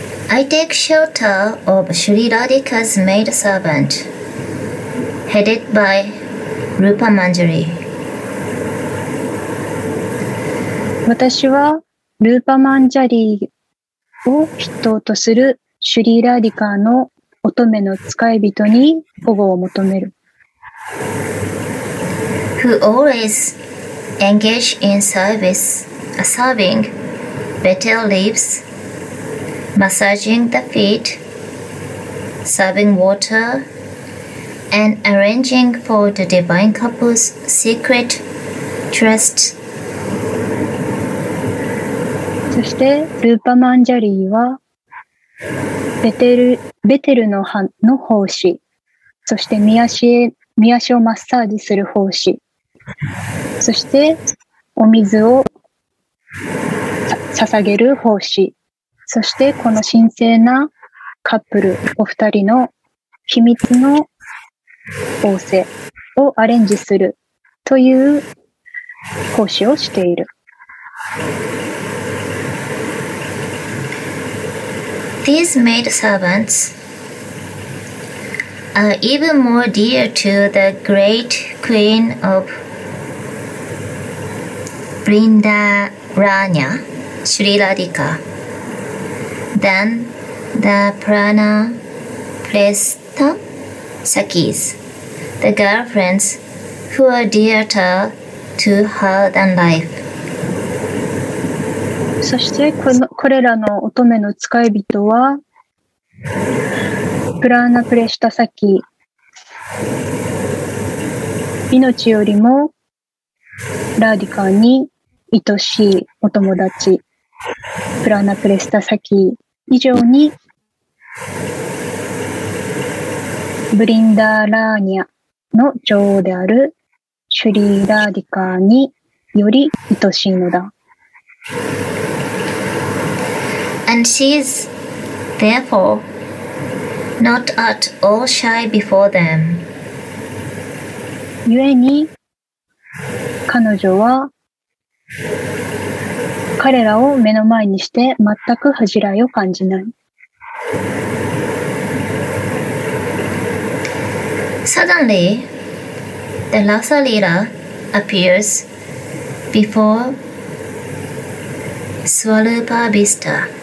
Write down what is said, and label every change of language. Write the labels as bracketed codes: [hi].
[en] I take shelter of Shri Radhika's maid servant headed by Rupa Manjari。 [ja] 私はルーパマンジャリーを筆頭とするシュリーラーディカーの乙女の使い人に保護を求める。 [en] Who always engage in service, serving betel leaves, massaging the feet, serving water, and arranging for the divine couple's secret tryst。 [ja] そしてルーパマンジャリーはベテルの葉の奉仕、そして宮足をマッサージする奉仕、そしてお水を捧げる奉仕、そしてこの神聖なカップルお二人の秘密の仰せをアレンジするという奉仕をしている。 [en] These maid servants are even more dear to the great queen of Vrindaranya, Sri Radhika, than the prana prestha sakis, the girlfriends who are dearer to her than life. [ja] そしてこれらの乙女の使い人はプラーナプレシタサキ命よりもラーディカに愛しいお友達プラーナプレシタサキ以上にブリンダーラーニャの女王であるシュリーラーディカにより愛しいのだ。 [en] And she is, therefore, not at all shy before them. [ja] 故に、彼女は彼らを目の前にして全く恥じらいを感じない。 [en] Suddenly, the Rasa Leela appears before Swarupa Vista.